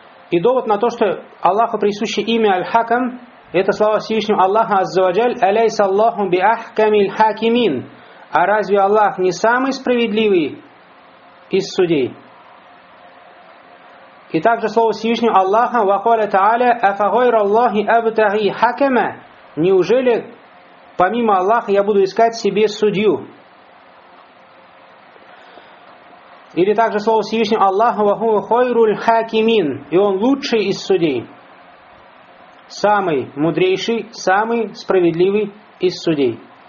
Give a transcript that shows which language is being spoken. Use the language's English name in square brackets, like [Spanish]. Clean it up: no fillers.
[Russian] И довод на то, что Аллаху присуще имя Аль-Хакам, это слова Всевышнего Аллаха Азза ва Джаль, [Arabic] «Алейса Аллаху би ахкамиль хакимин», [Russian] а разве Аллах не самый справедливый из судей? И также слово Всевышнего Аллаха, [Arabic] وَقَالَ تَعَالَى أَفَغَيْرَ اللَّهِ أَبْتَغِي حَكَمَ. [Russian] Неужели помимо Аллаха я буду искать себе судью? Или также слово Всевышнего Аллаха, [Arabic] وَهُوَ خَيْرُ الْحَكِمِينَ. [Russian] И он лучший из судей. Самый мудрейший, самый справедливый из судей.